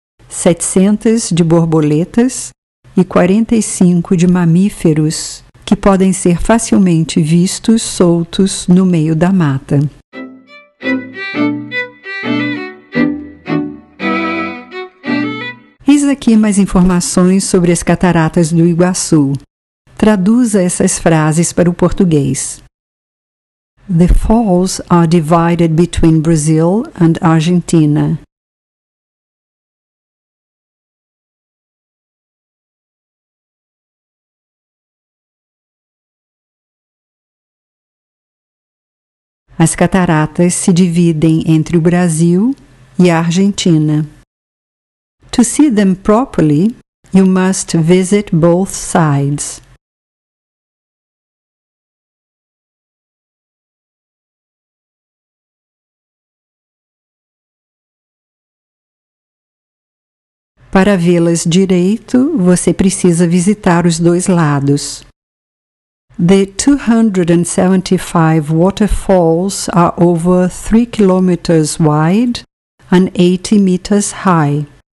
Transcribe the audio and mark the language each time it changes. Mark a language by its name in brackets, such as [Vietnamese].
[Portuguese] 700 de borboletas e 45 de mamíferos, que podem ser facilmente vistos soltos no meio da mata. Eis aqui mais informações sobre as Cataratas do Iguaçu. Traduza essas frases para o português. [English] The falls are divided between Brazil and Argentina. [Portuguese] As cataratas se dividem entre o Brasil e a Argentina. [English] To see them properly, you must visit both sides. [Portuguese] Para vê-las direito, você precisa visitar os dois lados. [English] The 275 waterfalls are over 3 kilometers wide and 80 meters high.